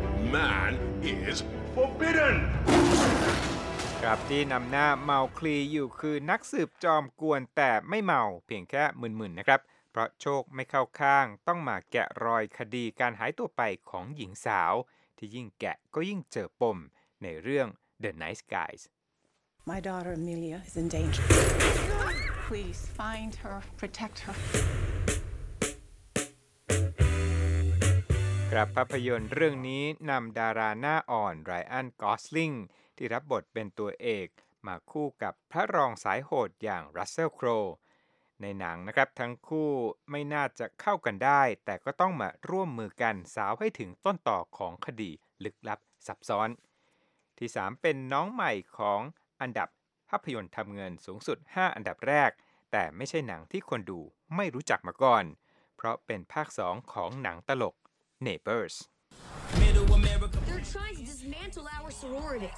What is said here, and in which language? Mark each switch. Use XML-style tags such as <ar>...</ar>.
<en>Man is forbidden.</en> <th>ครับที่นำหน้าเมาคลีอยู่คือนักสืบจอมกวนแต่ไม่เมาเพียงแค่มึนๆนะครับเพราะโชคไม่เข้าข้างต้องมาแกะรอยคดีการหายตัวไปของหญิงสาวที่ยิ่งแกะก็ยิ่งเจอปมในเรื่อง The Nice Guys</th> <en>My daughter Amelia is in danger. Please find her, protect her.</en> <th>ครับภาพยนตร์เรื่องนี้นำดาราหน้าอ่อนไรอันกอสลิงที่รับบทเป็นตัวเอกมาคู่กับพระรองสายโหดอย่างรัสเซลโคร ในหนังนะครับทั้งคู่ไม่น่าจะเข้ากันได้แต่ก็ต้องมาร่วมมือกันสาวให้ถึงต้นต่อของคดีลึกลับซับซ้อนที่3เป็นน้องใหม่ของอันดับภาพยนตร์ทำเงินสูงสุด5อันดับแรกแต่ไม่ใช่หนังที่คนดูไม่รู้จักมาก่อนเพราะเป็นภาค2ของหนังตลก Neighbors</th> <en>They're trying to dismantle our sorority.</en>